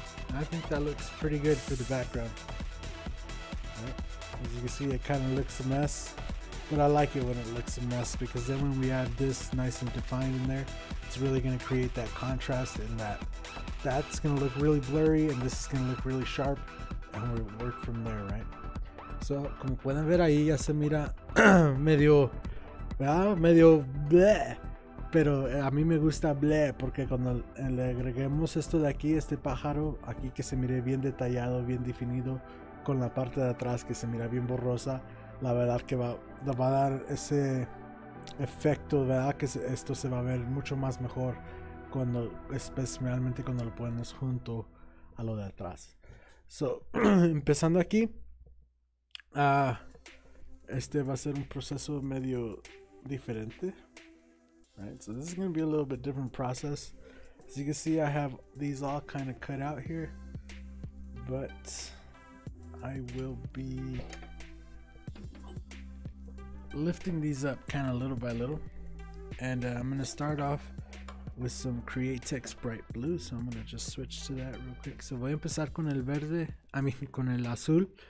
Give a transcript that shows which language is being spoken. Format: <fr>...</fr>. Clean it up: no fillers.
<en>Alright, I think that looks pretty good for the background. Right. As you can see, it kind of looks a mess. But I like it when it looks a mess, because then when we add this nice and defined in there, it's really going to create that contrast, and that's going to look really blurry, and this is going to look really sharp, and we'll work from there, right?</en> <es>So, como pueden ver ahí, ya se mira medio, ¿verdad? Medio bleh. Pero a mí me gusta bleh, porque cuando le agreguemos esto de aquí, este pájaro, aquí que se mire bien detallado, bien definido, con la parte de atrás que se mira bien borrosa, la verdad que va a dar ese efecto, ¿verdad? Que esto se va a ver mucho más mejor cuando, especialmente cuando lo pones junto a lo de atrás. So, empezando aquí, este va a ser un proceso medio diferente.</es> <en>Right, so this is going to be a little bit different process. As you can see, I have these all kind of cut out here, but I will be lifting these up kind of little by little. And I'm going to start off with some Createx Bright Blue. So I'm going to just switch to that real quick.</en> <es>So voy a empezar con el verde,</es> <en>I mean</en> <es>con el azul.</es>